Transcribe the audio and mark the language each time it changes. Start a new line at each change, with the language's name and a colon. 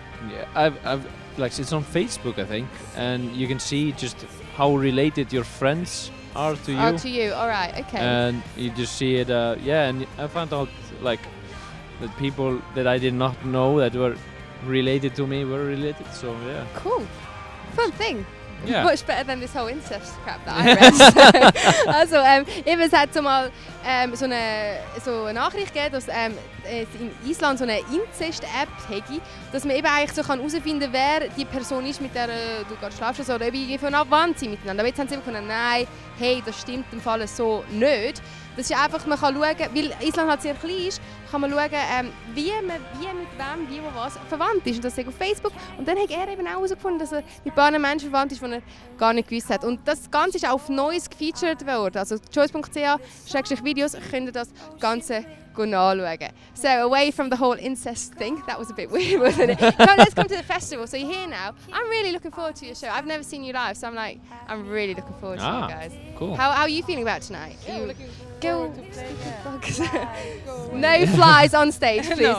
English: Yeah, I've like it's on Facebook, I think, and you can see just how related your friends are to you. Are to you. All right. Okay. And you just see it yeah, and I found out like that people that I did not know that were related to me were related. So, yeah. Cool. Fun thing. Yeah. Much better than this whole incest crap that I read.
German: Also, Inzest hat zumal so eine Nachricht gegeben, dass es in Island so eine Inzest-App hätte, dass man eben eigentlich so herausfinden kann, wer die Person ist, mit der du gerade schlafst, oder ob ich von wann sie miteinander. Aber jetzt haben sie eben gesagt, nein, hey, das stimmt im Fall so nicht. Das ist einfach, man kann schauen, weil Island halt sehr klein ist, kann man schauen, wie mit wem, wie wo was verwandt ist. Und das ist auf Facebook. Und dann hat er eben auch herausgefunden, dass er mit ein paar Menschen verwandt ist, die er gar nicht gewusst hat. Und das Ganze ist auf Neues gefeatured worden. Also joiztv.ch/videos könnt ihr das Ganze anschauen.
English: So, away from the whole incest thing, that was a bit weird, wasn't it? So, let's come to the festival. So you're here now. I'm really looking forward to your show. I've never seen you live, so I'm like, I'm really looking forward to you guys. Cool. How are you feeling about tonight? Yeah, you, go. Yeah, no flies on stage, please,